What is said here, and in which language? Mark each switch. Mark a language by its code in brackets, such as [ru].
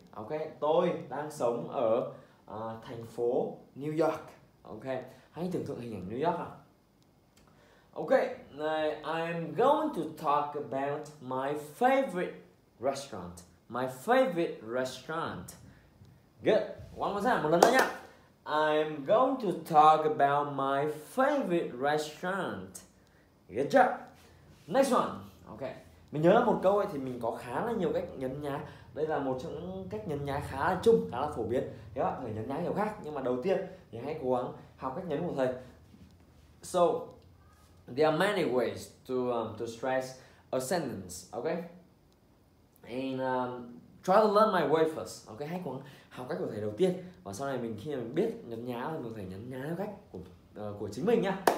[vi] Ok, tôi đang sống ở thành phố New York. Ok, hãy tưởng tượng hình ảnh New York nào. [en] Ok, I am going to talk about my favorite restaurant. My favorite restaurant. Good. One more time, [vi] một lần nữa nha. [en] I am going to talk about my favorite restaurant. Good job. Next one. [vi] Ok, mình nhớ là một câu ấy thì mình có khá là nhiều cách nhấn nhá. Đây là một trong những cách nhấn nhá khá là chung, khá là phổ biến. Thế các bạn phải nhấn nhá kiểu khác. Nhưng mà đầu tiên thì hãy cố gắng học cách nhấn của thầy. [en] So, there are many ways to stress a sentence, okay? And try to learn my way first, okay? [vi] Hãy cùng học cách của thầy đầu tiên, và sau này mình khi mà mình biết nhấn nhá thì mình phải nhấn nhá theo cách của chính mình nhá.